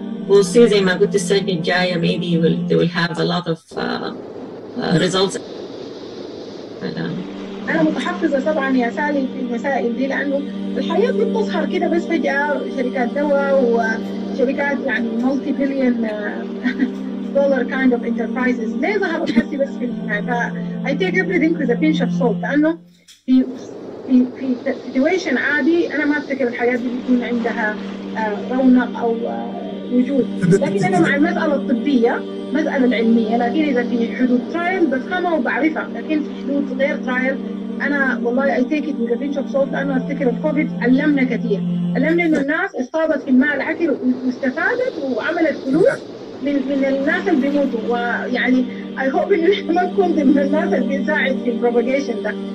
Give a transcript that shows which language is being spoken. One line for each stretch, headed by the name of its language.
English: We'll see
Arabic: زي ما قلت السنة الجاية
English: maybe they will have a lot of results.
Arabic: أنا متحفزة طبعاً يا سالي في المسائل دي لأنه الحياة بتظهر كده بس فجأة شركات دواء وشركات يعني
English: multi billion dollar kind of enterprises.
Arabic: ليه ظهروا حسي بس في المسائل؟
English: I take everything with a pinch of salt.
Arabic: لأنه في situation عادي أنا ما أفتكر الحياة دي بيكون عندها رونق أو وجود. لكن أنا مع المسألة الطبية مسألة العلمية. لكن إذا في حدود trial بفهمها وبعرفها. لكن في حدود غير trial أنا والله
English: I take it with a pinch of salt.
Arabic: لأنه أفتكر الكوفيد علمنا كثير. علمنا إنه الناس اصطادت في الماء العكر واستفادت وعملت فلوس من الناس اللي بيموتوا. ويعني
English: I hope
Arabic: إنه ما نكون من الناس اللي بيساعد في propagation ده.